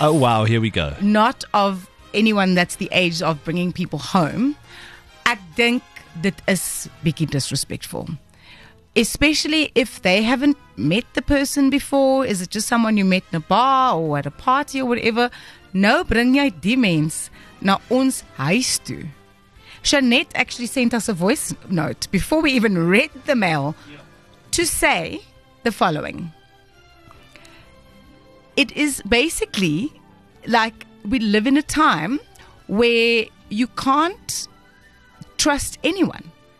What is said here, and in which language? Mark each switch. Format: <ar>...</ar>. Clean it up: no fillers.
<en>Oh, wow. Here we go. Not of anyone that's the age of bringing people home. I think that is being disrespectful. Especially if they haven't met the person before. Is it just someone you met in a bar or at a party or whatever?</en> <af>No, bring jy die mens na ons huis toe.</af> <en>Jeanette actually sent us a voice note before we even read the mail to say the following. It is basically like we live in a time where you can't trust anyone.</en>